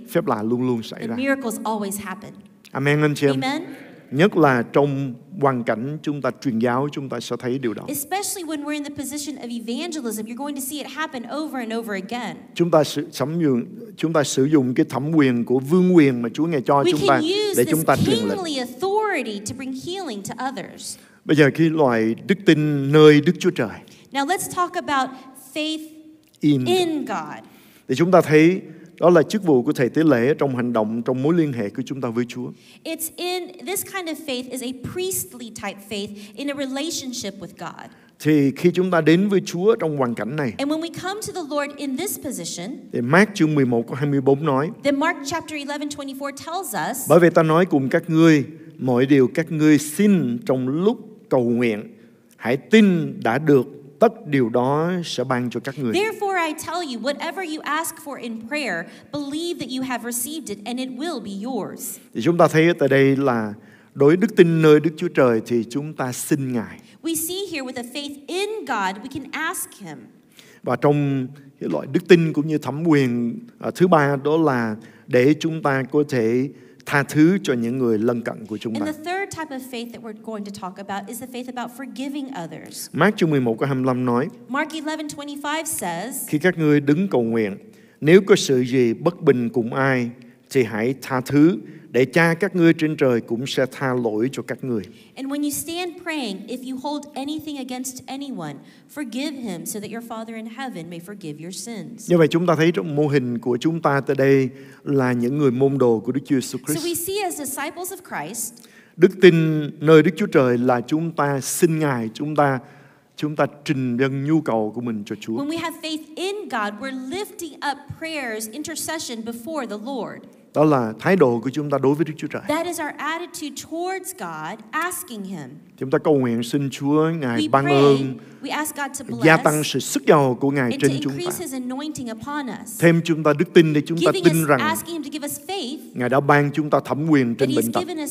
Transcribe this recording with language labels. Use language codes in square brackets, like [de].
[vi] phép lạ luôn luôn xảy ra. [en] Miracles always happen. [vi] Amen, anh chị em. [en] Amen. [vi] Nhất là trong hoàn cảnh chúng ta truyền giáo, chúng ta sẽ thấy điều đó. [en] Especially when we're in the position of evangelism, you're going to see it happen over and over again. [vi] Chúng ta sử dụng cái thẩm quyền của vương quyền mà Chúa ngài cho chúng ta để chúng ta truyền lệnh. [en] We can use this kingly authority to bring healing to others. [vi] Bây giờ khi loại đức tin nơi Đức Chúa Trời. [en] Now let's talk about faith in God. [vi] Thì chúng ta thấy đó là chức vụ của thầy tế lễ trong hành động, trong mối liên hệ của chúng ta với Chúa. [en] It's in this kind of faith is a priestly type faith in a relationship with God. [vi] Thì khi chúng ta đến với Chúa trong hoàn cảnh này. [en] And when we come to the Lord in this position. [vi] Thì Mark chương 11 câu 24 nói. [en] Then Mark chapter 11, 24 tells us. [vi] Bởi vì ta nói cùng các ngươi, mọi điều các ngươi xin trong lúc cầu nguyện, hãy tin đã được, tất điều đó sẽ ban cho các ngươi. [en] Therefore I tell you, whatever you ask for in prayer, believe that you have received it and it will be yours. [vi] Thì chúng ta thấy tại đây là đối đức tin nơi Đức Chúa Trời thì chúng ta xin Ngài. [en] We see here with a faith in God, we can ask him. [vi] Và trong cái loại đức tin cũng như thẩm quyền thứ ba đó là để chúng ta có thể tha thứ cho những người lân cận của chúng ta. [en] And the third type of faith that we're going to talk about is the faith about forgiving others. [vi] Mark chương 11 câu 25 nói. [en] Mark 11:25 says. [vi] Khi các ngươi đứng cầu nguyện, nếu có sự gì bất bình cùng ai, thì hãy tha thứ, để Cha các ngươi trên trời cũng sẽ tha lỗi cho các ngươi. [en] And when you stand praying, if you hold anything against anyone, forgive him so that your Father in heaven may forgive your sins. [vi] Như vậy chúng ta thấy trong mô hình của chúng ta tại đây là những người môn đồ của Đức Chúa Jesus Christ. [en] So we see as disciples of Christ. [vi] Đức tin nơi Đức Chúa Trời là chúng ta xin Ngài, chúng ta trình dâng nhu cầu của mình cho Chúa. [en] When we have faith in God, we're lifting up prayers, intercession before the Lord. [vi] Đó là thái độ của chúng ta đối với Đức Chúa Trời. [en] That is our attitude towards God, asking him. [vi] Chúng ta cầu nguyện xin Chúa Ngài ban ơn, gia tăng sự sức dầu của Ngài trên chúng ta. Thêm chúng ta đức tin để chúng ta tin rằng Ngài đã ban chúng ta thẩm quyền trên bệnh tật.